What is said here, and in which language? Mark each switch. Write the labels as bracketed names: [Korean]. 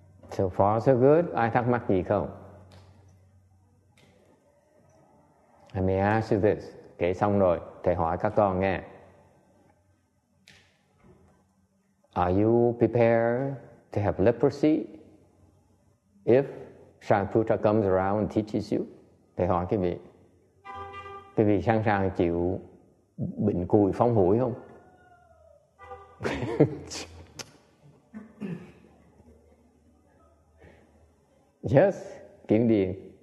[English] So far so good. [Vietnamese] Ai thắc mắc gì không? [English] I may ask you this. [Vietnamese] Kể xong rồi thầy hỏi các con nghe. [English] Are you prepared to have leprosy if Sariputra comes around and teaches you? [Vietnamese] Thầy hỏi quý vị. Quý vị sẵn sàng chịu bệnh cùi phong hủi không? [English] Yes, Kiến Điền.